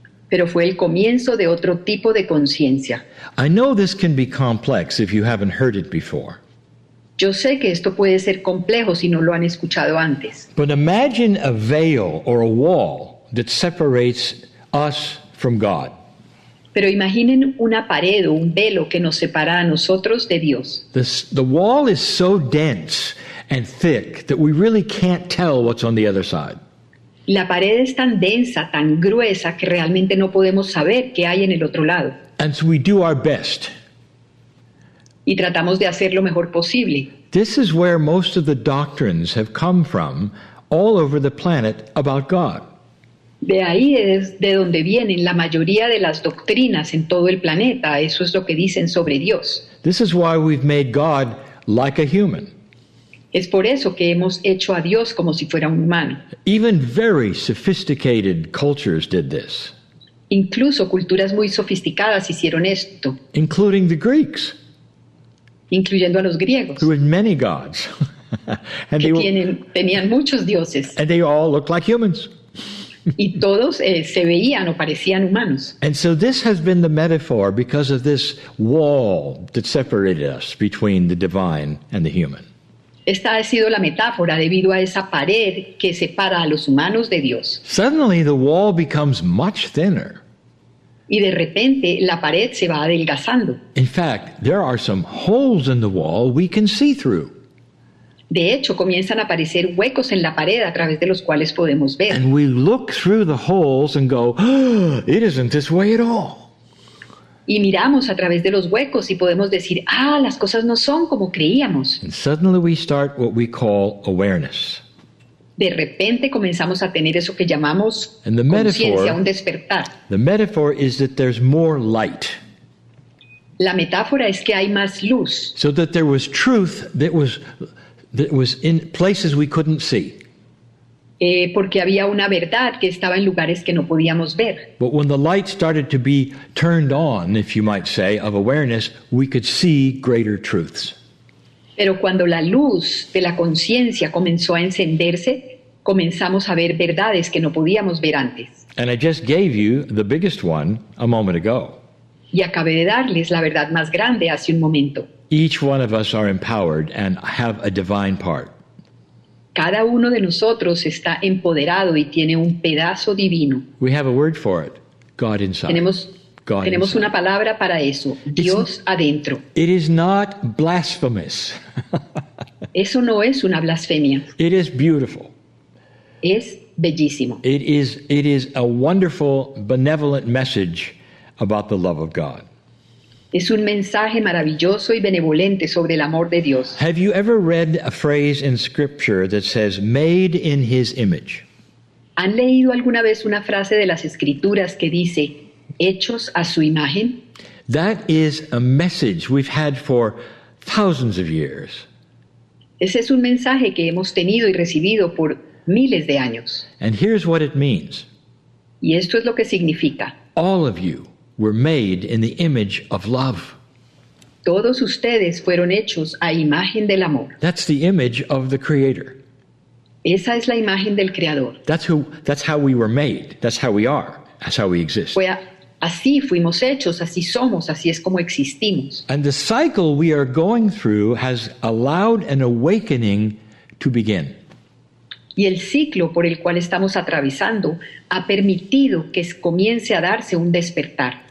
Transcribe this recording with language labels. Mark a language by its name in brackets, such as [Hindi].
[Spanish] Pero fue el comienzo de otro tipo de conciencia. [English] I know this can be complex if you haven't heard it before. [Spanish] Yo sé que esto puede ser complejo si no lo han escuchado antes. [English] But imagine a veil or a wall that separates us from God. [Spanish] Pero imaginen una pared o un velo que nos separa a nosotros de Dios. [English] The wall is so dense and thick that we really can't tell what's on the other side. [Spanish] La pared es tan densa, tan gruesa, que realmente no podemos saber qué hay en el otro lado. [English] And so we do our best. [Spanish] Y tratamos de hacer lo mejor posible. [English] This is where most of the doctrines have come from all over the planet about God. [Spanish] De ahí es de donde vienen la mayoría de las doctrinas en todo el planeta. Eso es lo que dicen sobre Dios. [English] This is why we've made God like a human. [Spanish] Es por eso que hemos hecho a Dios como si fuera un humano. [English] Even very sophisticated cultures did this. [Spanish] Incluso culturas muy sofisticadas hicieron esto. [English] Including the Greeks. [Spanish] incluyendo a los griegos, [English] who had many gods. [Spanish] And que tenían muchos dioses. [English] And they all looked like humans. [Spanish] Y todos se veían o parecían humanos. [English] And so this has been the metaphor because of this wall that separated us between the divine and the human. [Spanish] Esta ha sido la metáfora debido a esa pared que separa a los humanos de Dios. [English] Suddenly the wall becomes much thinner. [Spanish] Y de repente la pared se va adelgazando. [English] In fact, there are some holes in the wall we can see through. [Spanish] De hecho, comienzan a aparecer huecos en la pared a través de los cuales podemos ver. [English] And we look through the holes and go, oh, it isn't this way at all. [Spanish] Y miramos a través de los huecos y podemos decir, ah, las cosas no son como creíamos. [English] And suddenly we start what we call awareness. [Spanish] De repente comenzamos a tener eso que llamamos conciencia, un despertar. [English] The metaphor is that there's more light. [Spanish] La metáfora es que hay más luz. [English] So that there was truth that was in places we couldn't see. [Spanish] Porque había una verdad que estaba en lugares que no podíamos ver. [English] But when the light started to be turned on, if you might say, of awareness, we could see greater truths. [Spanish] Pero cuando la luz de la conciencia comenzó a encenderse, comenzamos a ver verdades que no podíamos ver antes. [English] And I just gave you the biggest one a moment ago. [Spanish] Y acabé de darles la verdad más grande hace un momento. [English] Each one of us are empowered and have a divine part. [Spanish] Cada uno de nosotros está empoderado y tiene un pedazo divino. [English] We have a word for it. God inside. [Spanish] Tenemos una palabra para eso. Dios adentro. [English] It is not blasphemous. [Spanish] Eso no es una blasfemia. [English] It is beautiful. [Spanish] Es bellísimo. [English] It is a wonderful, benevolent message about the love of God. [Spanish] Es un mensaje maravilloso y benevolente sobre el amor de Dios. [English] Have you ever read a phrase in Scripture that says, made in His image? [Spanish] ¿Han leído alguna vez una frase de las Escrituras que dice, hechos a su imagen? [English] That is a message we've had for thousands of years. [Spanish] Ese es un mensaje que hemos tenido y recibido por miles de años. [English] And here's what it means. [Spanish] Y esto es lo que significa. [English] All of you were made in the image of love. [Spanish] Todos ustedes fueron hechos a imagen del amor. [English] That's the image of the Creator. [Spanish] Esa es la imagen del Creador. [English] That's how we were made. That's how we are. That's how we exist. [Spanish] Así fuimos hechos, así somos, así es como existimos. [English] And the cycle we are going through has allowed an awakening to begin. [Spanish] Y el ciclo por el cual estamos atravesando ha permitido que comience a darse un despertar.